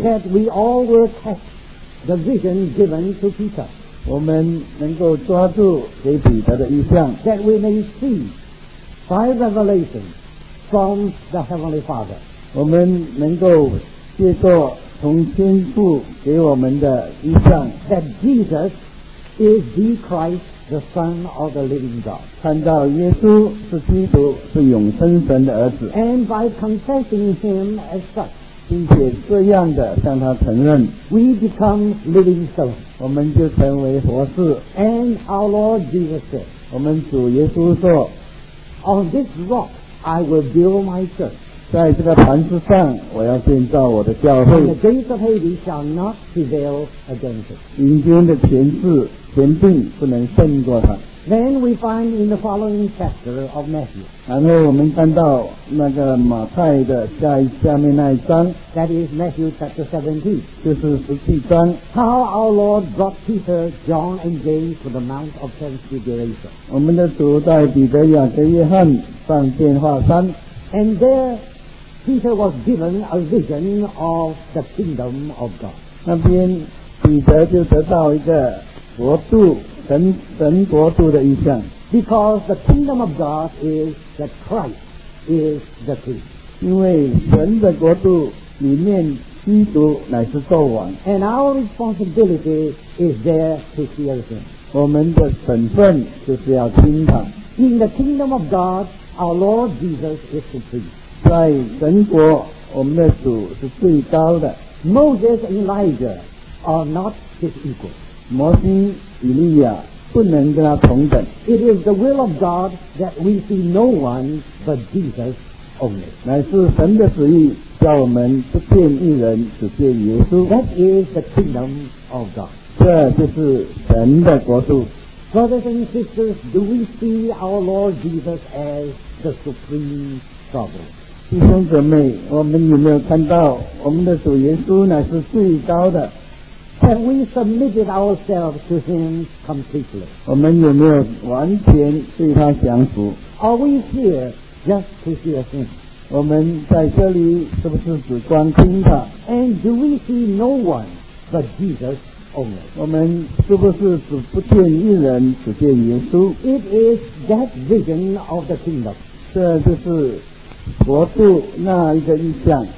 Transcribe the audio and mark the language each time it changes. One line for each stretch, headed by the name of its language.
English: that we all will catch the vision given to Peter.
Chinese: 我们能够抓住给彼得的意象，
English: that we may see by revelation from the Heavenly Father.
Chinese: 我们能够接受从天父给我们的意象，
English: that Jesus is the Christ, the Son of the Living God.
Chinese: 看到耶稣是基督，是永生神的儿子。
English: And by confessing him as such,
Chinese: 并且这样的向他承认，
English: We become living stones.
Chinese: 我们就成为活士。
English: And our Lord Jesus said,
Chinese: 我们主耶稣说，
English: On this rock I will build my church.
Chinese: 在这个磐石上我要建造我的教会。
English: And the gates of Hades shall not prevail against it.
Chinese: 阴间的权势权柄不能胜过它。
English: Then we find in the following chapter of Matthew.
Chinese: 然后我们看到那个马太的下面那一章，
English: that is Matthew chapter 17.
Chinese: 就是十七章。
English: How our Lord brought Peter, John, and James to the Mount of Transfiguration.
Chinese: 我们的主带彼得、雅各、约翰上变化山。
English: And there, Peter was given a vision of the kingdom of God.
Chinese: 那边彼得就得到一个国度。神国度的意象，
English: because the kingdom of God is that Christ is the king.
Chinese: 因为神的国度里面基督乃是作王。
English: And our responsibility is there to hear him.
Chinese: 我们的本分就是要听他。
English: In the kingdom of God, our Lord Jesus is supreme.
Chinese: 在神国，我们的主是最高的。
English: Moses and Elijah are not his equals.
Chinese: 摩西、以利亚不能跟他同等。
English: It is the will of God that we see no one but Jesus only.
Chinese: 乃是神的旨意，叫我们不见一人，只见耶稣。
English: That is the kingdom of God.
Chinese: 这就是神的国度。
English: Brothers and sisters, do we see our Lord Jesus as the supreme sovereign?
Chinese: 弟兄姊妹，我们有没有看到我们的主耶稣乃是最高的？
English: Have we submitted ourselves to him completely?
Chinese: 我们有没有完全对他降服？
English: Are we here just to hear him?
Chinese: 我们在这里是不是只光听他？
English: And do we see no one but Jesus only?
Chinese: 我们是不是只不见一人，只见耶稣？
English: It is that vision of the kingdom.
Chinese: 这就是国度那一个意象。